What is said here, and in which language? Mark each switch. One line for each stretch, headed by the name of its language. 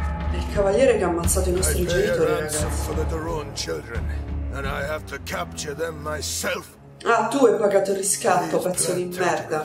Italian: Il cavaliere che ha ammazzato i nostri genitori, ragazzi.
English: For the Daron children, and I have to capture them myself.
Italian: Ah, tu hai pagato il riscatto, pezzo di merda.